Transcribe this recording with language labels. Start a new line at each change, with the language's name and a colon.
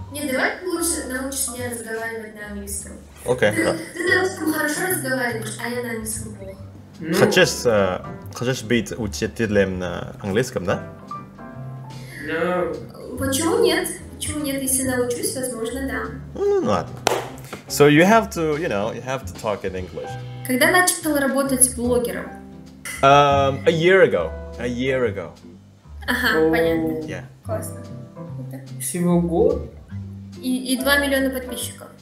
Russian: Нет, давай лучше научишь меня разговаривать на английском. Окей. Ты на русском хорошо разговариваешь, а я на английском плохо. Ну. Хочешь быть учителем на английском, да?
English: No.
Russian: Почему нет? Если научусь, возможно, да. Ну ладно.
English: So you have to, you know, you have to talk in English.
Russian: Когда начал работать блогером?
English: A year ago.
Russian: Ага, понятно.
English: Yeah.
Russian: Классно. Всего год? И 2 миллиона подписчиков?